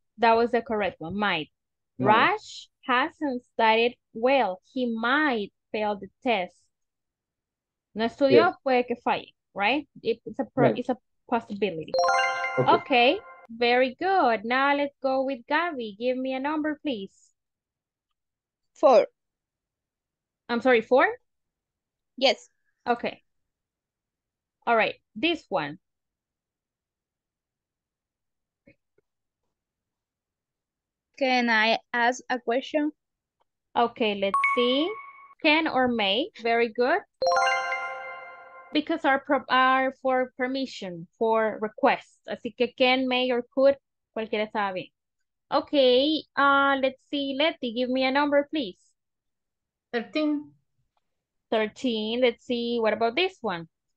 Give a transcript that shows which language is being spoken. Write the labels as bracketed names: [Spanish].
[English] That was the correct one. Might. Rush hasn't studied well. He might fail the test. [Spanish] No estudió, puede que falle, [English] right? It's a possibility. Okay. Very good. Now let's go with Gabby. Give me a number, please. 4. I'm sorry, 4? Yes. Okay. All right. This one. Can I ask a question? Okay, let's see. Can or may? Very good. Because are for permission, for request. [Spanish] Así que can, may, or could, cualquiera sabe. [English] Okay, let's see. Leti, give me a number, please. 13. 13. Let's see. What about this one?